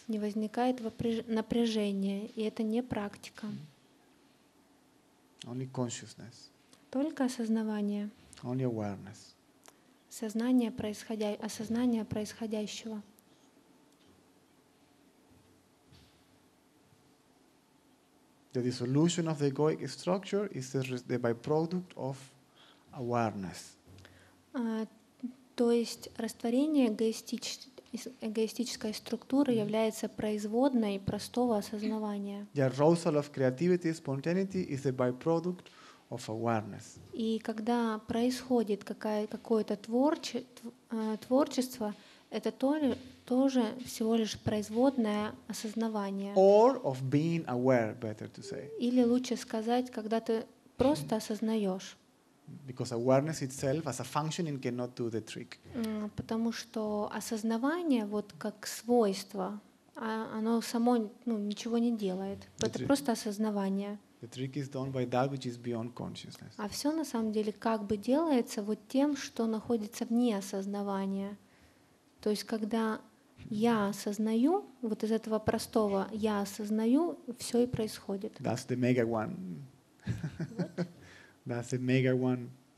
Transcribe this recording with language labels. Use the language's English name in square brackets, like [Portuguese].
[Russian] Не возникает напряжения, и это не практика. [English] Only consciousness. [Russian] Только осознавание. [English] Only awareness. [Russian] Сознание осознание происходящего. [English] The dissolution of the egoic structure is the byproduct of awareness. [Russian] То есть растворение эгоистической структуры является производной простого осознавания. [English] The arousal of creativity, spontaneity is the byproduct of awareness. [Russian] И когда происходит какое-то творчество, это тоже всего лишь производное осознавание. [English] Or of being aware, better to say. [Russian] Или лучше сказать, когда ты просто осознаешь. [English] Because awareness itself as a functioning cannot do the trick. [Russian] Потому что осознавание вот как свойство, оно само ничего не делает. Это просто осознавание. [English] The trick is done by that which is beyond consciousness. [Russian] А все на самом деле как бы делается вот тем, что находится вне осознавания. То есть, когда я осознаю, вот из этого простого я осознаю, все и происходит. [English] That's the mega one. That's the mega one.